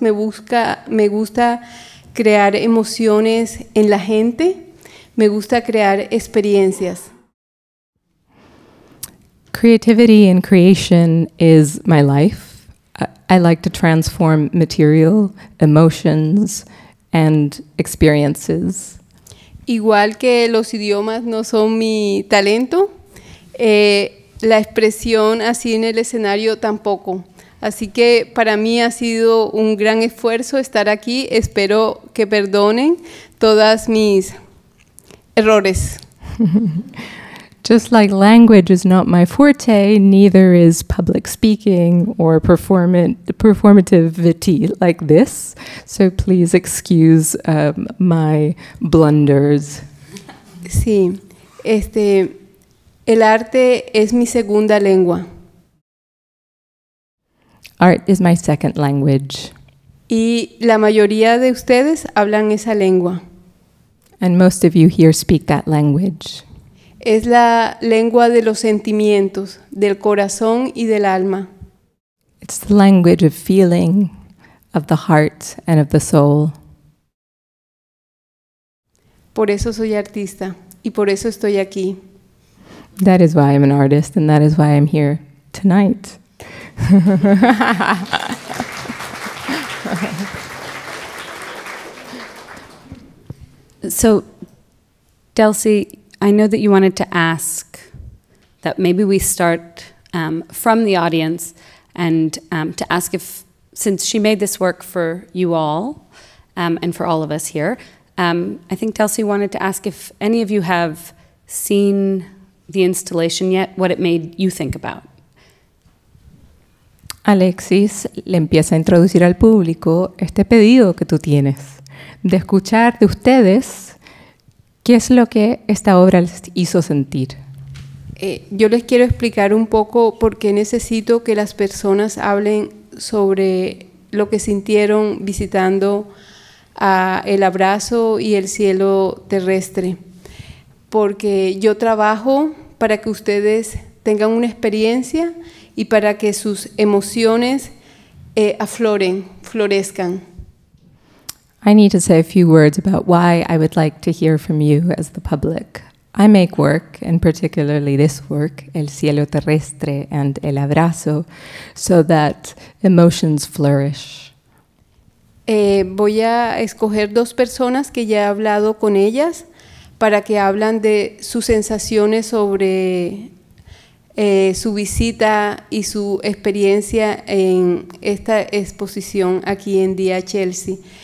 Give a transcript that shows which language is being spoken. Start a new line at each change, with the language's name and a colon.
Spanish: Me gusta crear emociones en la gente. Me gusta crear experiencias.
English: Creativity and creation is my life. I like to transform material, emotions, and experiences.
Spanish: Igual que los idiomas no son mi talento, la expresión así en el escenario tampoco. Así que para mí ha sido un gran esfuerzo estar aquí. Espero que perdonen todas mis errores.
English: Just like language is not my forte, neither is public speaking or performativity like this. So please excuse my blunders.
Spanish: Sí, el arte es mi segunda lengua.
English: Art is my second language.
Spanish: Y la mayoría de ustedes hablan esa lengua.
English: And most of you here speak that language.
Spanish: Es la lengua de los sentimientos, del corazón y del alma.
English: It's the language of feeling, of the heart and of the soul.
Spanish: Por eso soy artista y por eso estoy aquí.
English: That is why I'm an artist and that is why I'm here tonight. So, Delcy, I know that you wanted to ask that maybe we start from the audience and to ask if, since she made this work for you all and for all of us here, I think Delcy wanted to ask if any of you have seen the installation yet, what it made you think about.
Spanish: Alexis le empieza a introducir al público este pedido que tú tienes, de escuchar de ustedes qué es lo que esta obra les hizo sentir. Yo les quiero explicar un poco por qué necesito que las personas hablen sobre lo que sintieron visitando el abrazo y el cielo terrestre. Porque yo trabajo para que ustedes tengan una experiencia y para que sus emociones afloren, florezcan.
English: I need to say a few words about why I would like to hear from you as the public. I make work, and particularly this work, El Cielo Terrestre and El Abrazo, so that emotions flourish.
Spanish: Voy a escoger dos personas que ya he hablado con ellas para que hablen de sus sensaciones sobre su visita y su experiencia en esta exposición aquí en Día Chelsea.